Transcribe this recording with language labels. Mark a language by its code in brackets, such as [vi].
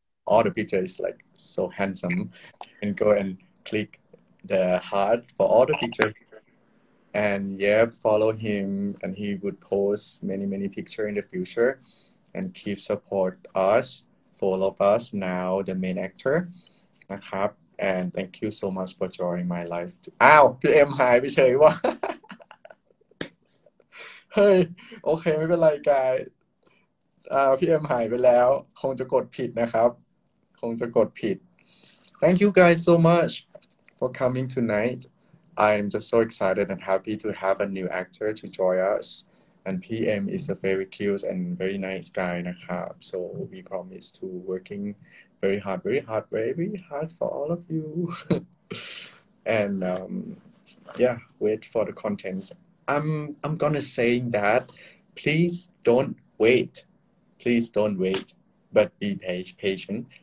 [en] All the pictures is like so handsome, and go and click the heart for all the pictures, and yeah, follow him, and he would post many many pictures in the future, and keep support us, follow us now the main actor, นะครับAnd thank you so much for joining my life. [th] Ow, PM หายไปเฉยว่ะเฮ้ยโอเคไม่เป็นไรกาย PM หายไปแล้วคงจะกดผิดนะครับคงจะกดผิด [en] Thank you guys so much for coming tonight. I'm just so excited and happy to have a new actor to join us. And PM is a very cute and very nice guy นะครับ So we promise to workingvery hard, very hard for all of you. And yeah, wait for the contents. I'm gonna say that please don't wait, but be patient.